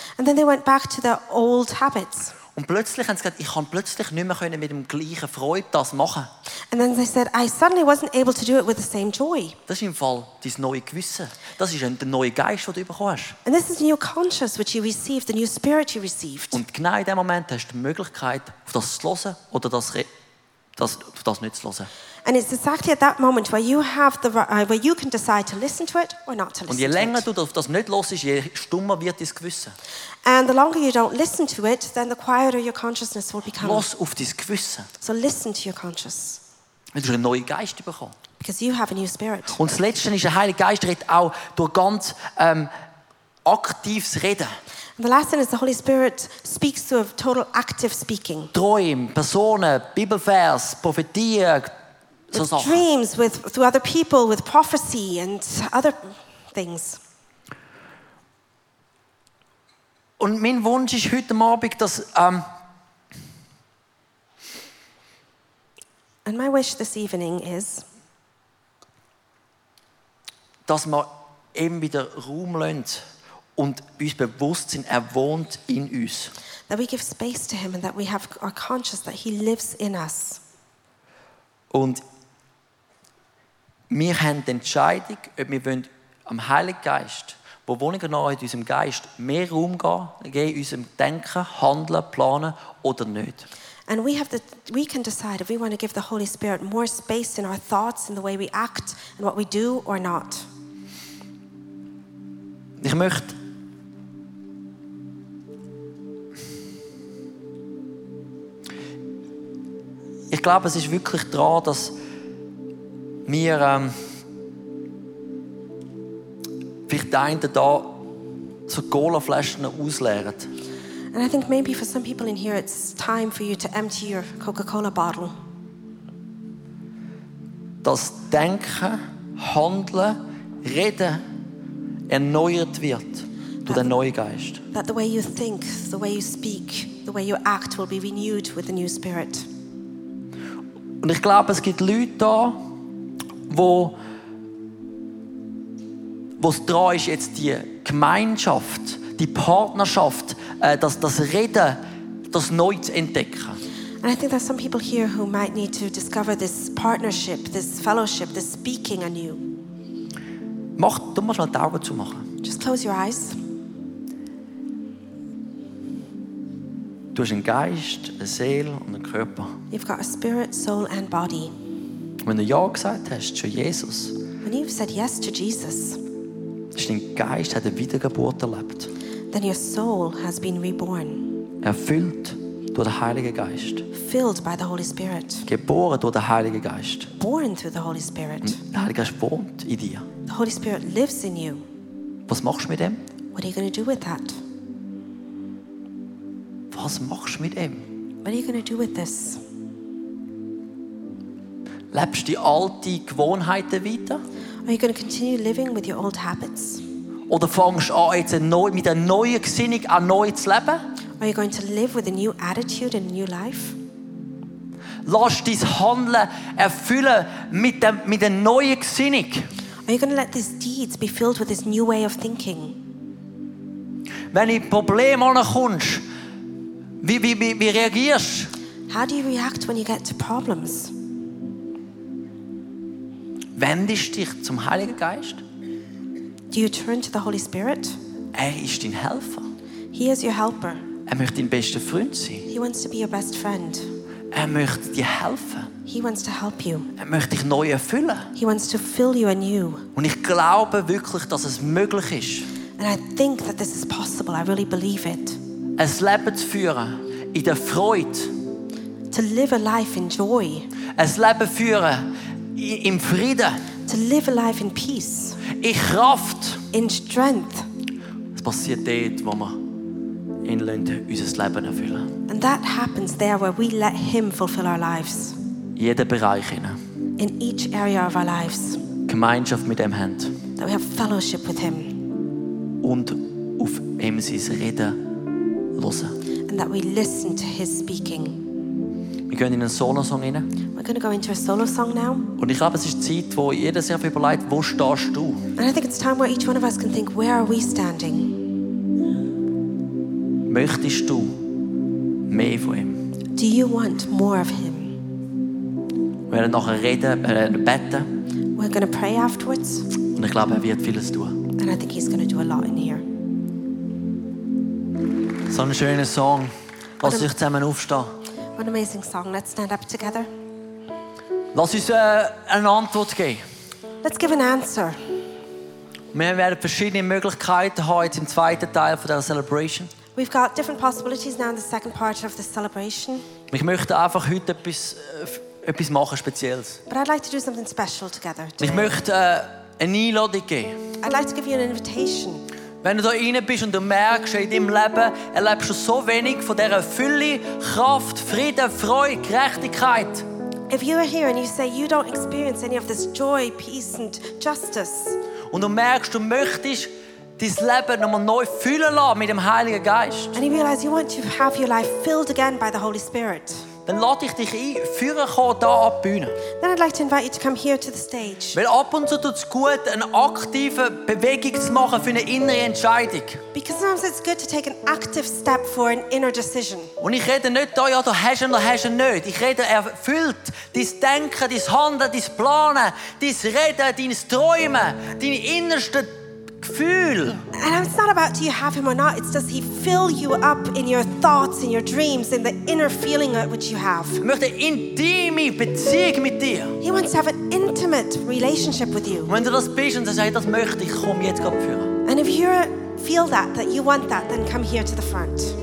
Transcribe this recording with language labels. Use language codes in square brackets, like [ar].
[en] And then they went back to their old habits. [de] Und plötzlich haben sie gesagt, ich kann plötzlich nicht mehr mit dem gleichen Freude das machen. [en] And then they said, I suddenly wasn't able to do it with the same joy. [de] Das ist im Fall dein neues Gewissen. Das ist der neue Geist, den du bekommst. [en] And this is a new conscience which you received, the new spirit you received. [de] Und genau in dem Moment hast du die Möglichkeit, auf das zu hören oder das das nicht zu hören. [en] And it's exactly at that moment where you have the where you can decide to listen to it or not to listen. [de] Und je länger du auf das nicht hörst, je stummer wird dein Gewissen. [en] And the longer you don't listen to it, then the quieter your consciousness will become. [de] Los auf dein Gewissen. [en] So listen to your conscience. [de] Weil du einen neuen Geist bekommst. [en] Because you have a new spirit. [de] Und das Letzte ist, der Heilige Geist redet auch durch ganz aktives Reden. [en] The last thing is the Holy Spirit speaks through a total active speaking. [de] Träume, Personen, Bibelverse, Prophetien, so Sachen. [en] Dreams with through other people, with prophecy and other things. [de] Und mein Wunsch ist heute Abend, dass [en] And my wish this evening is, [de] dass wir eben wieder Raum lassen. Und uns bewusst sind, er wohnt in uns. [en] That we give space to him and that we have are conscious that he lives in us. [de] Und wir haben die Entscheidung, ob wir wollen am Heiligen Geist, wo wohnen wir noch in unserem Geist, mehr Raum geben, unserem Denken, Handeln, Planen oder nicht. [en] And we can decide if we want to give the Holy Spirit more space in our thoughts, in the way we act, and what we do or not. [de] Ich möchte Ich glaube, es ist wirklich dran, dass wir vielleicht die einen da so Cola-Flaschen ausleeren. [en] And I think maybe for some people in here, it's time for you to empty your Coca-Cola bottle. [de] Dass Denken, Handeln, Reden erneuert wird durch den neuen Geist. [en] That the way you think, the way you speak, the way you act will be renewed with the new spirit. [de] Und ich glaube, es gibt Leute da, wo es dran ist, jetzt die Gemeinschaft, die Partnerschaft, das Reden, das Neue zu entdecken. [en] And I think there's some people here who might need to discover this partnership, this fellowship, this speaking anew. [de] Mach, du musst mal die Augen zu machen. [en] Just close your eyes. [de] Du hast einen Geist, eine Seele und einen Körper. [en] You've got a spirit, soul and body. [de] Wenn du ja gesagt hast zu Jesus. [en] When you've said yes to Jesus. [de] Ist dein Geist hat eine Wiedergeburt erlebt. [en] Then your soul has been reborn. [de] Erfüllt durch den Heiligen Geist. [en] Filled by the Holy Spirit. [de] Geboren durch den Heiligen Geist. [en] Born through the Holy Spirit. [de] Und der Heilige Geist wohnt in dir. [en] The Holy Spirit lives in you. [de] Was machst du mit dem? [en] What are you going to do with that? [de] Was machst du mit ihm? [en] What are you going to do with this? [de] Lebst du die alten Gewohnheiten weiter? [en] Are you going to continue living with your old habits? [de] Oder fängst du an, jetzt mit einer neuen Gesinnung an neu zu leben? [en] Are you going to live with a new attitude and a new life? [de] Lass dein Handeln erfüllen mit einer neuen Gesinnung. [en] Are you going to let these deeds be filled with this new way of thinking? [de] Wenn ich Probleme ankommst, Wie reagierst? [en] How do you react when you get to problems? [de] Wendest dich zum Heiligen Geist? [en] Do you turn to the Holy Spirit? [de] Er ist dein Helfer. [en] He is your helper. [de] Er möchte dein bester Freund sein. [en] He wants to be your best friend. [de] Er möchte dir helfen. [en] He wants to help you. [de] Er möchte dich neu erfüllen. [en] He wants to fill you anew. [de] Und ich glaube wirklich, dass es möglich ist. [en] And I think that this is possible. I really believe it. [de] Ein Leben zu führen in der Freude. [en] To live a life in joy. [de] Ein Leben führen im Frieden. [en] To live a life in peace. [de] In Kraft. [en] In strength. [de] Es passiert dort, wo wir in Lünden unser Leben erfüllen. [en] And that happens there where we let him fulfill our lives. [de] Jeder Bereich innen. [en] In each area of our lives. [de] Gemeinschaft mit ihm haben. [en] That we have fellowship with him. [de] Und auf ihm sein Reden. [en] And that we listen to his speaking. [de] Wir gehen in einen Solo-Song rein. [en] We're going to go into a solo song now. [de] Und ich glaube, es ist Zeit, wo jeder sich überlegt, wo stehst du? [en] And I think it's time where each one of us can think, where are we standing? [de] Möchtest du mehr von ihm? [en] Do you want more of him? [de] Wir werden nachher reden, wir werden beten. [en] We're going to pray afterwards. [de] Und ich glaube, er wird vieles tun. [en] And I think he's going to do a lot in here. [de] So ein schöner Song. Lass uns zusammen aufstehen. [en] What an amazing song. Let's stand up together. [de] Lass uns eine Antwort geben. [en] Let's give an answer. [de] Wir werden verschiedene Möglichkeiten haben jetzt im zweiten Teil von der Celebration. [en] We've got different possibilities now in the second part of the celebration. [de] Ich möchte einfach heute etwas machen Spezielles. [en] But I'd like to do something special together. [de] Ich möchte eine Einladung geben. [en] I'd like to give you an invitation. [de] Wenn du da rein bist und du merkst, in deinem Leben erlebst du so wenig von dieser Fülle, Kraft, Frieden, Freude, Gerechtigkeit. [en] If you are here and you say you don't experience any of this joy, peace and justice. [de] Und du merkst, du möchtest dein Leben nochmal neu füllen lassen mit dem Heiligen Geist. [en] And you realize you want to have your life filled again by the Holy Spirit. [de] Dann lade ich dich ein, führen kommen hier an die Bühne. [en] Then I'd like to invite you to come here to the stage. [de] Weil ab und zu tut es gut, eine aktive Bewegung zu machen für eine innere Entscheidung. [en] Because sometimes it's good to take an active step for an inner decision. [de] Und ich rede nicht da, ja, du hast ihn oder hast ihn nicht. Ich rede erfüllt dein Denken, dein Handeln, dein Planen, dein Reden, dein Träumen, dein innerste Gefühl. [en] And it's not about do you have him or not, it's does he fill you up in your thoughts, in your dreams, in the inner feeling of which you have. [de] Er möchte eine intime Beziehung mit dir. [en] He wants to have an intimate relationship with you. [de] Wenn du das bist und sagst, das möchte ich, komm jetzt gerade führen. [en] And if you feel that you want that, then come here to the front.